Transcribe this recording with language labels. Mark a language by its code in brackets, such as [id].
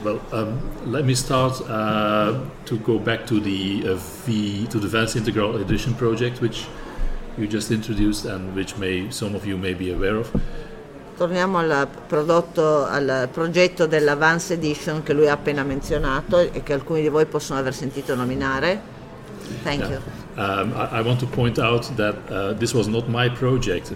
[en] Well, let me start to go back to the Vance Integral Edition project, which you just introduced and which may some of you may be aware of. [it] Torniamo al progetto della Vance Edition che lui ha appena menzionato e che alcuni di voi possono aver sentito nominare. [en] Thank you. I want to point out that this was not my project.